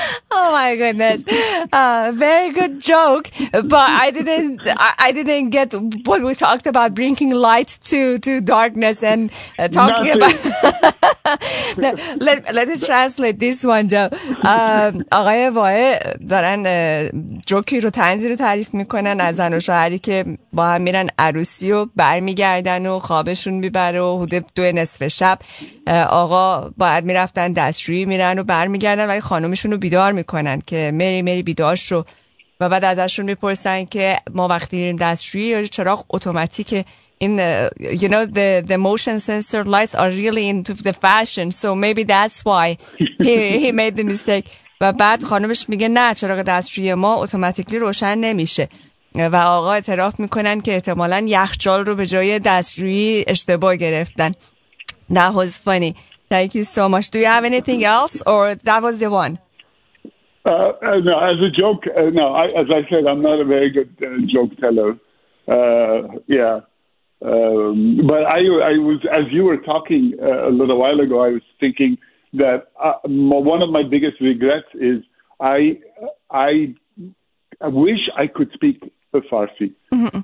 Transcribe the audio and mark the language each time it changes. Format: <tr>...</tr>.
<en>Oh my goodness. Very good joke, but I didn't get what we talked about, bringing light to darkness and talking nothing. About let me translate this one though.</en> <fa>آقای وای دارن جوکی رو طنزی رو تعریف میکنن از زن و شوهری که با هم میرن عروسی و برمیگردن و خوابشون میبره و حدود 2:30 شب آقا باید میرفتن دستشویی میرن و برمیگردن ولی خانومشون رو بیدار میکنن که مری بیدار شو و بعد ازشون میپرسن که ما وقتی میریم دستشویی چراغ اتوماتیک این</fa> <en>you know the motion sensor lights are really into the fashion so maybe that's why he made the mistake</en> <fa>و بعد خانومش میگه نه چراغ دستشویی ما اتوماتیکلی روشن نمیشه و آقا اعتراف میکنن که احتمالاً یخچال رو به جای دستشویی اشتباه گرفتن.</fa> <en>That was funny. Thank you so much. Do you have anything else, or that was the one? No, as a joke. No, I, as I said, I'm not a very good joke teller. But I was, as you were talking a little while ago, I was thinking that one of my biggest regrets is I wish I could speak Farsi. Mm-hmm.</en>